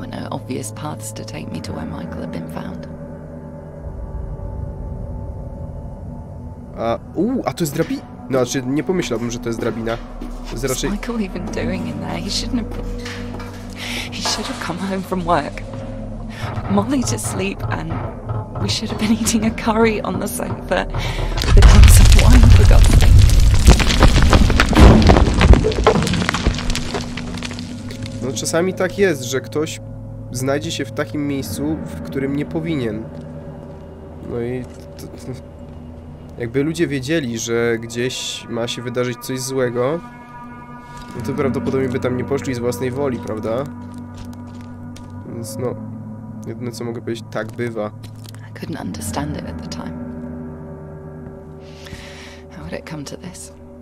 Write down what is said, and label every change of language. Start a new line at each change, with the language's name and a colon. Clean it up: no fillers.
English: Obvious paths to take me to where Michael had been found.
Polish: A to jest drabina? No, znaczy nie pomyślałbym, że to jest drabina. Raczej...
English: What's Michael even doing in there? He shouldn't have been... He should have come home from work. Molly to sleep and we should have been eating a curry on the sofa with a glass of wine for God's sake.
Polish: No czasami tak jest, że ktoś znajdzie się w takim miejscu, w którym nie powinien. No i... Jakby ludzie wiedzieli, że gdzieś ma się wydarzyć coś złego, no to prawdopodobnie by tam nie poszli z własnej woli, prawda? Więc no... Jedyne co mogę powiedzieć, tak bywa.
English: I couldn't understand it at the time. How would it come to this?